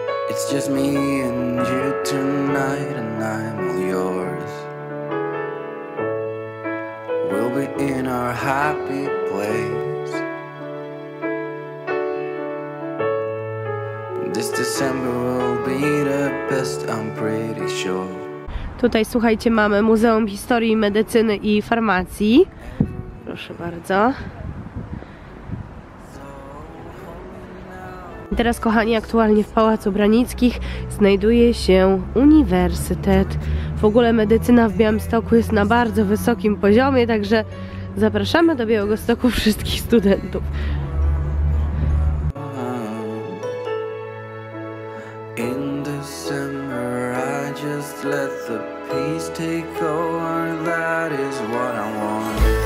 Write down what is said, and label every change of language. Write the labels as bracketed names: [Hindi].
[English] It's just me and you tonight, and I'm all yours. We'll be in our happy place. This December will be the best, I'm pretty sure. [Polish] Tutaj, słuchajcie, mamy Muzeum Historii, Medycyny i Farmacji. Proszę bardzo. I teraz, kochani, aktualnie w Pałacu Branickich znajduje się uniwersytet. W ogóle medycyna w Białymstoku jest na bardzo wysokim poziomie, także zapraszamy do Białegostoku wszystkich studentów. [English] In December I just let the peace take over, that is what I want.